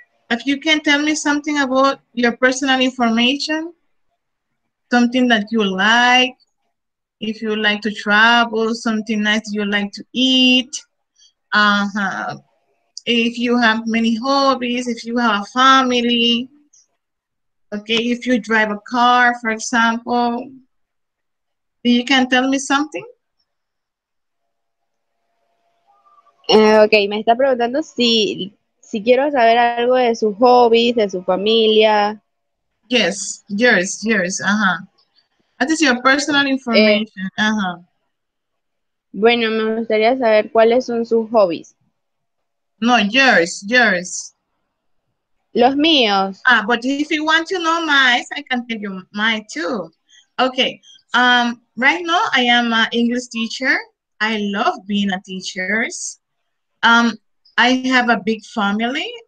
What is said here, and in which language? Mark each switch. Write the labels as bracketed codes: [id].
[en] If you can tell me something about your personal information, something that you like, if you like to travel, something nice you like to eat, if you have many hobbies, if you have a family, okay, if you drive a car, for example, you can tell me something. [es] Okay, me está preguntando si quiero saber algo de sus hobbies, de su familia. [en] Yes, yours, That is your personal information, [es] Bueno, me gustaría saber cuáles son sus hobbies. [en] No, yours. [es] Los míos. [en] Ah, but if you want to know mine, I can tell you mine too. Okay. Right now I am an English teacher. I love being a teacher. I have a big family.